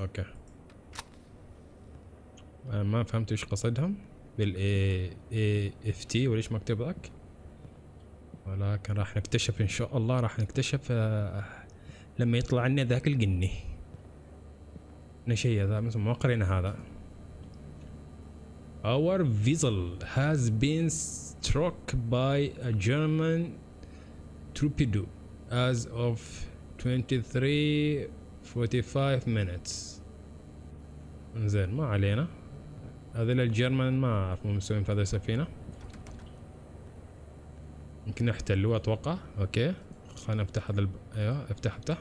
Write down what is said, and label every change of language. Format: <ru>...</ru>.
<ar>اوكي أنا ما فهمت وش قصدهم بالاي اي اف تي وليش مكتوب ذاك، ولكن راح نكتشف ان شاء الله، راح نكتشف لما يطلع لنا ذاك الجني. نشي هذا مثل ما قرينا هذا.</ar> <en>Our vessel has been struck by a German torpedo as of 23:45 minutes.</en> <ar>زين ما علينا، هذول الجيرمان ما اعرف مو مسوين في هذه السفينة، يمكن احتلوا اتوقع. اوكي خلنا افتح هذا ايوه افتح.</ar>